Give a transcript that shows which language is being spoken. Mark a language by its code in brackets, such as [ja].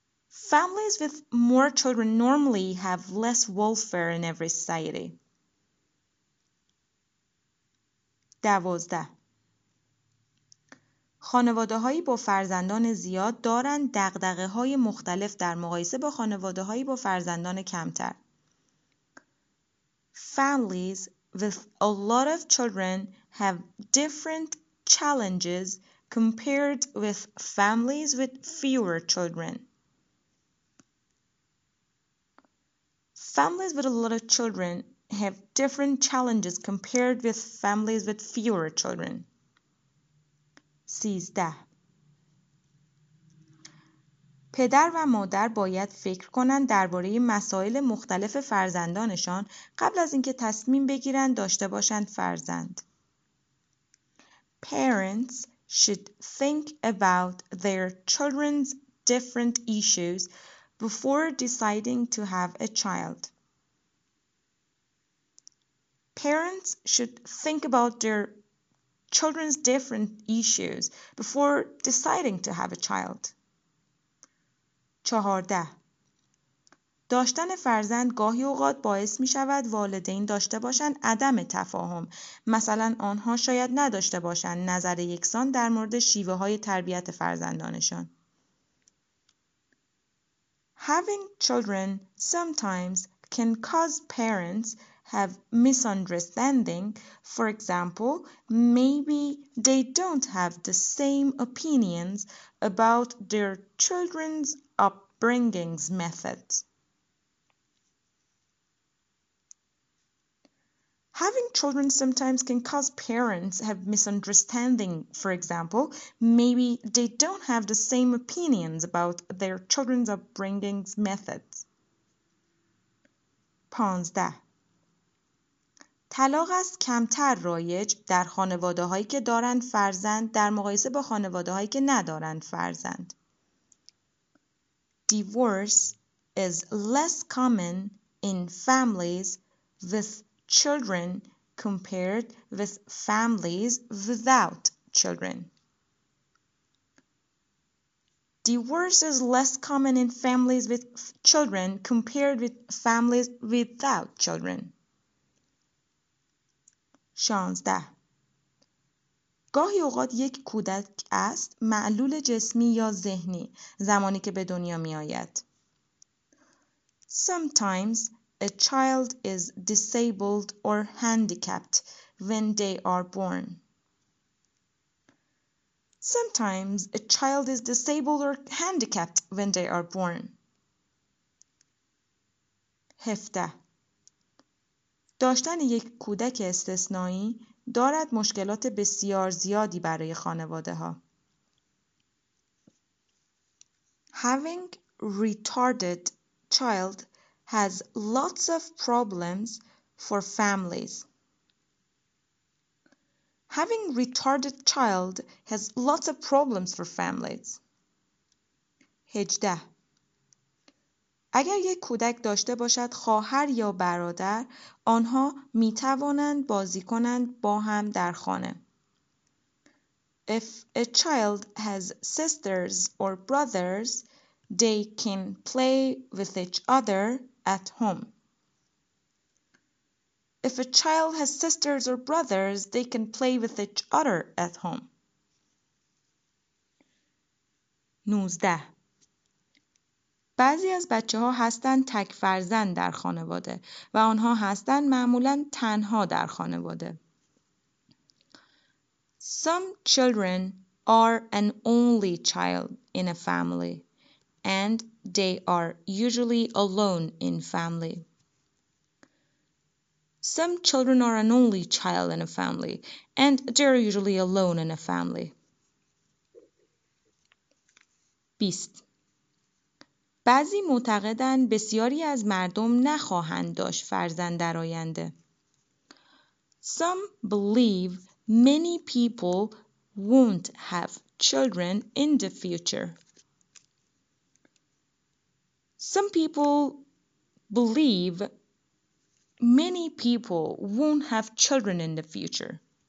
[en] Families with more children normally have less welfare in every society. 12. [fa] خانواده‌هایی با فرزندان زیاد دارند دغدغه‌های مختلف در مقایسه با خانواده‌هایی با فرزندان کمتر. [en] Families with a lot of children have different challenges compared with families with fewer children. Families with a lot of children have different challenges compared with families with fewer children. 13. [fa] پدر و مادر باید فکر کنند درباره مسائل مختلف فرزندانشان قبل از اینکه تصمیم بگیرند داشته باشند فرزند. [en] Parents should think about their children's different issues before deciding to have a child. Parents should think about their children's different issues before deciding to have a child. 14. [fa] داشتن فرزند گاهی اوقات باعث می شود والدین داشته باشند عدم تفاهم. مثلا آنها شاید نداشته باشند نظر یکسان در مورد شیوه های تربیت فرزندانشان. [en] Having children sometimes can cause parents have misunderstanding. For example, maybe they don't have the same opinions about their children's upbringing's methods. Having children sometimes can cause parents have misunderstanding. For example, maybe they don't have the same opinions about their children's upbringing's methods. 15. [fa] طلاق است کمتر رایج در خانواده‌هایی که دارند فرزند در مقایسه با خانواده‌هایی که ندارند فرزند. [en] Divorce is less common in families with children compared with families without children. Divorce is less common in families with children compared with families without children. 16. [fa] گاهی اوقات یک کودک است معلول جسمی یا ذهنی زمانی که به دنیا می آید. [en] Sometimes a child is disabled or handicapped when they are born. Sometimes a child is disabled or handicapped when they are born. 17. [fa] داشتن یک کودک استثنایی دارد مشکلات بسیار زیادی برای خانواده ها. [en] Having retarded child has lots of problems for families. Having retarded child has lots of problems for families. 18. [fa] اگر یک کودک داشته باشد خواهر یا برادر آنها می توانند بازی کنند با هم در خانه. [en] If a child has sisters or brothers, they can play with each other at home. If a child has sisters or brothers, they can play with each other at home. 19. [fa] بعضی از بچه‌ها هستند تک فرزند در خانواده و آنها هستند معمولاً تنها در خانواده. [en] Some children are an only child in a family and they are usually alone in family. Some children are an only child in a family and they're usually alone in a family. 20. [fa] بعضی معتقدند بسیاری از مردم نخواهند داشت فرزند در آینده. [en] Some believe many people won't have children in the future. Some people believe many people won't have children in the future.